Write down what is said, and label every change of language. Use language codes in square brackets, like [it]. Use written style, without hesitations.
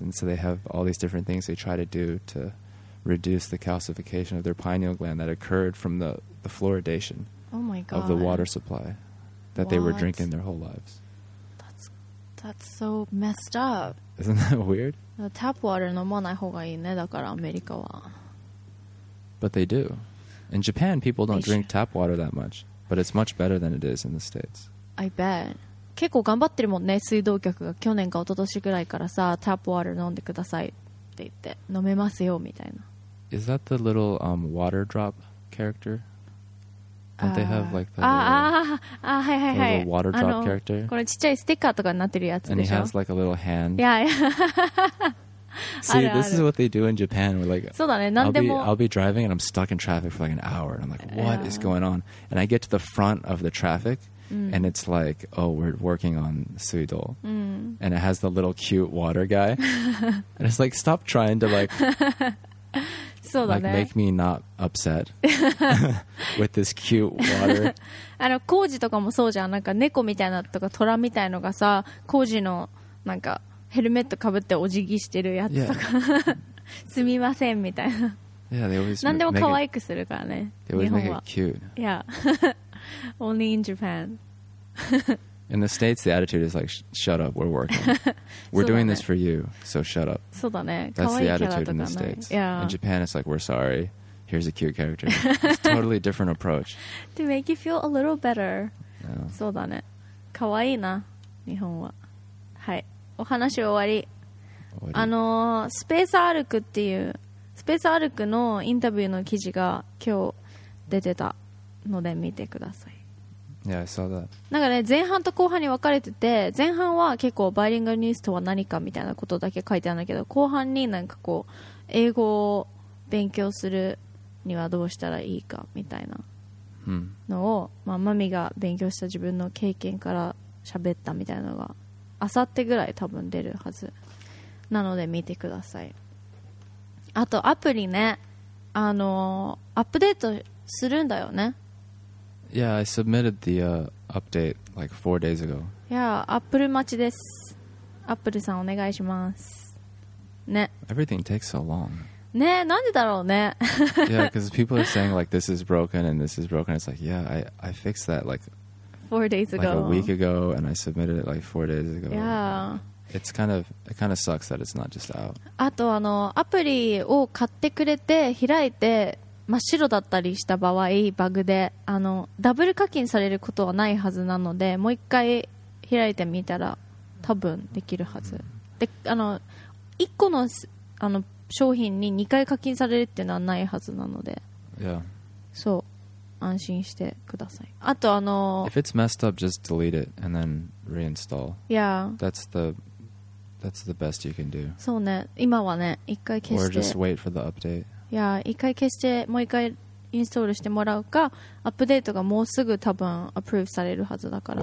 [en] And so they have all these different things they try to do to reduce the calcification of their pineal gland that occurred from the fluoridation of the water supply that they were drinking their whole lives. That's so messed up. Isn't that weird? [ja] Tap water 飲まない方がいいね、だからアメリカは。 [en] But they do. In Japan, people don't drink tap water that much. But it's much better than it is in the States. I bet. [ja] 結構頑張ってるもんね、水道局が去年か一昨年ぐらいからさ、タップワーター飲んでくださいって言って、飲めますよみたいな。 [en] Is that the little water drop character? Don't they have like the little water drop character? [ja] これちっちゃいステッカーとかになってるやつでしょ? [en] And he has like a little hand. Yeah, yeah. See, this is what they do in Japan. We're like, [ja] そうだね、何でも。 [en] I'll be driving and I'm stuck in traffic for like an hour. And I'm like, what is going on? And I get to the front of the traffic and it's like, oh, we're working on Suido. And it has the little cute water guy. And it's like, stop trying to like... [ja] そうだね。 [en] Like, make me not upset with this cute water. [ja] あの工事とかもそうじゃん。なんか猫みたいなとか虎みたいのがさ、工事のなんかヘルメットかぶってお辞儀してるやつとか、すみませんみたいな。 [en] Yeah, they always [ja] 何でも可愛くするからね。 [en] They always make it cute. Yeah. Only in Japan. In the States, the attitude is like, shut up, we're working. We're doing this for you, so shut up. [ja] そうだね。 [en] That's the attitude in the States. Yeah. In Japan, it's like, we're sorry. Here's a cute character. It's a totally different approach. To make you feel a little better. Yeah. [ja] そうだね。かわいいな、日本は。はい。お話終わり。スペースアルクっていう、スペースアルクのインタビューの記事が今日出てたので見てください。 [en] Yeah, I saw that. [ja] なんかね、前半と後半に分かれてて、前半は結構バイリンガルニュースとは何かみたいなことだけ書いてあるんだけど、後半になんかこう英語を勉強するにはどうしたらいいかみたいなのを、まあ、マミが勉強した自分の経験から喋ったみたいなのが明後日ぐらい多分出るはずなので見てください。あとアプリね、アップデートするんだよね。 [en] Yeah, I submitted the update like 4 days ago. [ja] Yeah, Apple 待ちです。アップルさんお願いしますね。 [en] Everything takes so long [ja] ね、なんでだろうね。 [en] Yeah, because people are saying like this is broken and this is broken. It's like, yeah, I fixed that like four days ago, like a week ago, and I submitted it like four days ago. Yeah, it's kind of it kind of sucks that it's not just out. [ja] あとあのアプリを買ってくれて開いて真っ白だったりした場合、バグであのダブル課金されることはないはずなので、もう一回開いてみたら多分できるはず。で、あの一個のあの商品に2回課金されるっていうのはないはずなので、 [en] yeah. [ja] そう、安心してください。あとあの [en] If it's messed up, just delete it and then reinstall. Yeah, that's the best you can do. [ja] そうね、今はね1回消して [en] Or just wait for the update. [ja] Yeah, 1回消してもう1回インストールしてもらうか、アップデートがもうすぐ多分アプローブされるはずだから、